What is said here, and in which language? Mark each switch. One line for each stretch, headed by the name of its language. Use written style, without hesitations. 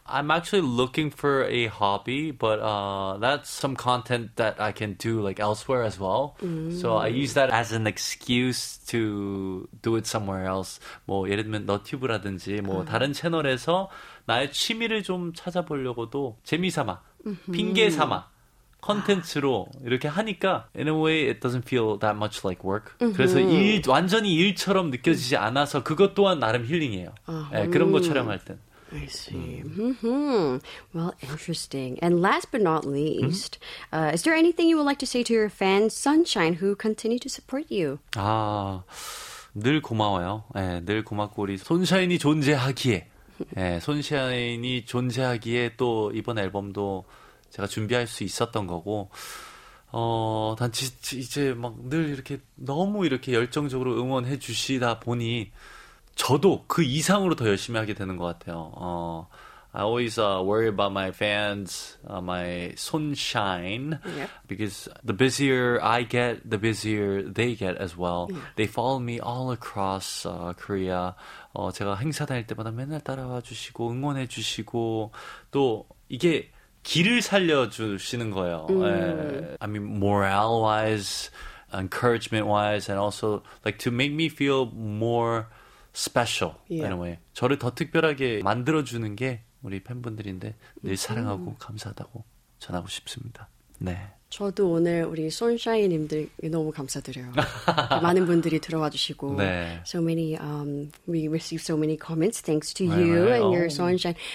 English: I'm actually looking for a hobby, but that's some content that I can do like elsewhere as well. So I use that as an excuse to do it somewhere else.
Korean: 뭐 예를 들면 너튜브라든지 뭐 다른 채널에서 나의 취미를 좀 찾아보려고도 재미삼아, 핑계삼아. 콘텐츠로 이렇게 하니까
English: in a way it doesn't feel that much like work.
Korean: 그래서 일 완전히 일처럼 느껴지지 않아서 그것 또한 나름 힐링이에요. 네, 그런 거 촬영할 땐.
English: I see. Well, interesting. And last but not least, is there anything you would like to say to your fans, Sunshine, who continue to support you?
Korean: 아, 늘 고마워요. 네, 늘 고맙고 우리 손샤인이 존재하기에, 네, 손샤인이 존재하기에 또 이번 앨범도 제가 준비할 수 있었던 거고 단지 이제 막 늘 이렇게 너무 이렇게 열정적으로 응원해 주시다 보니 저도 그 이상으로 더 열심히 하게 되는 것 같아요.
English: I always worry about my fans, my sunshine, because the busier I get, the busier they get as well. They follow me all across Korea.
Korean: 제가 행사 다닐 때마다 맨날 따라와 주시고 응원해 주시고 또 이게 길을 살려주시는 거예요.
English: I mean, morale-wise, encouragement-wise, and also like to make me feel more special in a way.
Korean: 저를 더 특별하게 만들어주는 게 우리 팬분들인데 늘 사랑하고 감사하다고 전하고 싶습니다. 네. 저도 오늘 우리 손샤이님들 너무 감사드려요. 많은 분들이 들어와 주시고 네.
English: So many we received so many comments thanks to you and your Sunshine.